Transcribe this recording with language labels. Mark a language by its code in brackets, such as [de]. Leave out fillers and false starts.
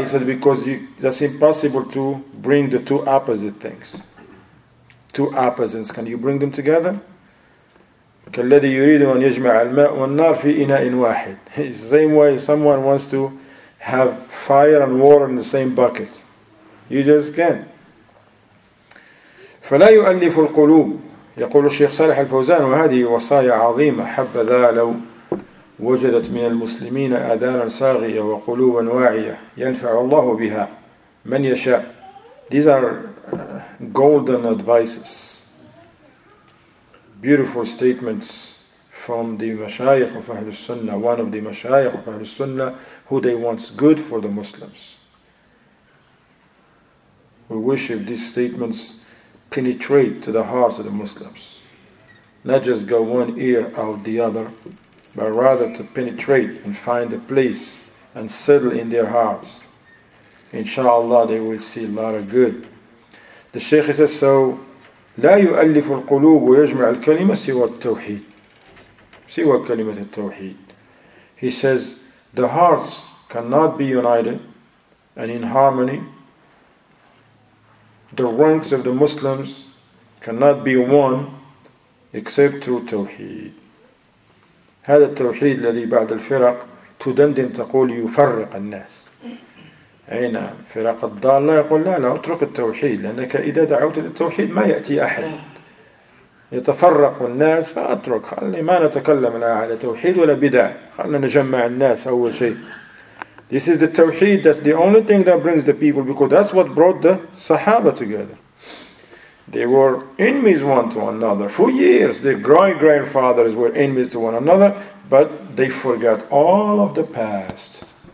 [en] He says, because that's impossible to bring the two opposite things. Two opposites. Can you bring them together? [ar] كَالَّذِي يُرِيدُ أَنْ يَجْمَعَ الْمَاءُ وَالنَّارُ فِي إِنَاءٍ وَاحِدٍ. [en] Same way someone wants to have fire and water in the same bucket. You just can. [ar] فَلَا يُؤَلِّفُ الْقُلُوبِ. يقول الشيخ صالح الفوزان وهذه وصايا عظيمة حبذا لو وجدت من المسلمين آذانا صاغية وقلوبا واعية ينفع الله بها من يشاء. [en] These are golden advices, beautiful statements from the mashayikh of Ahlul Sunnah, one of the mashayikh of Ahlul Sunnah, who they want good for the Muslims. We wish if these statements penetrate to the hearts of the Muslims, not just go one ear out the other, but rather to penetrate and find a place and settle in their hearts. Inshallah, they will see a lot of good. The Shaykh says, so, [ar] لا يؤلف القلوب ويجمع الكلمة سوى التوحيد. سوى كلمة التوحيد. [en] He says, the hearts cannot be united and in harmony. The ranks of the Muslims cannot be one except through Tawheed. [ar] هذا التوحيد الذي بعد الفرق تدندن تقول يفرق الناس. أين فرق الضالة يقول لا لا اترك التوحيد لأنك إذا دعوت للتوحيد ما يأتي أحد. يتفرق الناس فأترك خلني ما نتكلم لا على توحيد ولا بدع خلنا نجمع الناس أول شيء. [en] This is the tawheed, that's the only thing that brings the people, because that's what brought the Sahaba together. They were enemies one to another. For years, their great-grandfathers were enemies to one another, but they forgot all of the past.